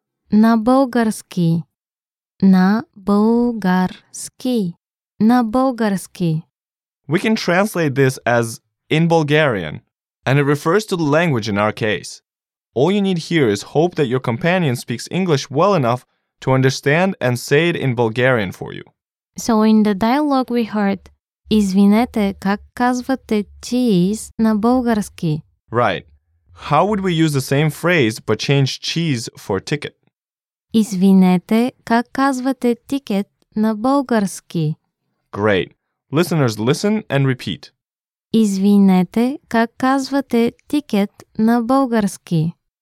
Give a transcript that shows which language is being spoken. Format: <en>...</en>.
<bg>На български. На български. На български.</bg> <en>We can translate this as in Bulgarian. And it refers to the language in our case. All you need here is hope that your companion speaks English well enough to understand and say it in Bulgarian for you. So in the dialogue we heard,</en> <bg>Извинете, как казвате cheese на български?</bg> <en>Right. How would we use the same phrase but change cheese for ticket?</en> <bg>Извинете, как казвате ticket на български?</bg> <en>Great. Listeners, listen and repeat.</en> <bg>Извинете, как казвате ticket на български?</bg>